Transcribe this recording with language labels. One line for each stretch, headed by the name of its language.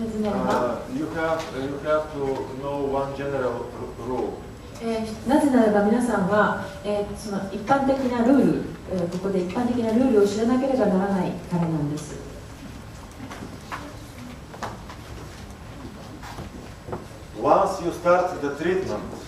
English: Because you have to know one general rule.
Japanese: なぜならば皆さんは、その一般的なルール、ここで一般的なルールを知らなければならないからなんです。
English: Once you start the treatment,